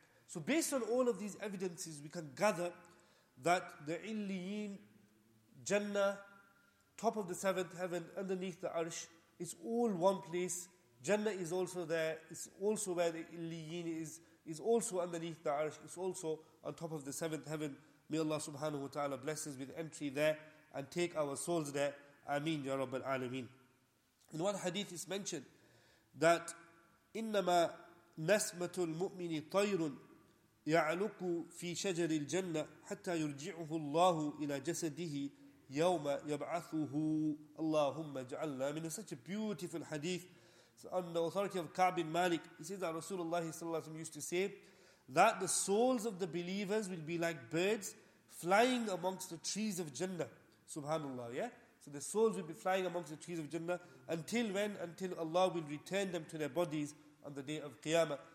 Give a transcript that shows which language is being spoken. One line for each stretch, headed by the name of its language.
English: So based on all of these evidences, we can gather that the Illiyin, Jannah, top of the seventh heaven, underneath the arsh, it's all one place. Jannah is also there. It's also where the Illiyin is. It's also underneath the arsh. It's also on top of the seventh heaven. May Allah subhanahu wa ta'ala bless us with entry there and take our souls there. Ameen, Ya Rabbal Alameen.
Arabic: In one hadith is mentioned that إِنَّمَا نَسْمَةُ الْمُؤْمِنِ طَيْرٌ يَعْلُقُ فِي شَجَرِ الْجَنَّةِ حَتَّى يُرْجِعُهُ اللَّهُ إِلَى جَسَدِهِ يَوْمَ يَبْعَثُهُ اللَّهُمَّ جَعَلْنَا.
English: I mean, it's such a beautiful hadith. So on the authority of Ka'b bin Malik, he says that Rasulullah used to say that the souls of the believers will be like birds flying amongst the trees of Jannah. Subhanallah, yeah? So the souls will be flying amongst the trees of Jannah until when? Until Allah will return them to their bodies on the day of Qiyamah.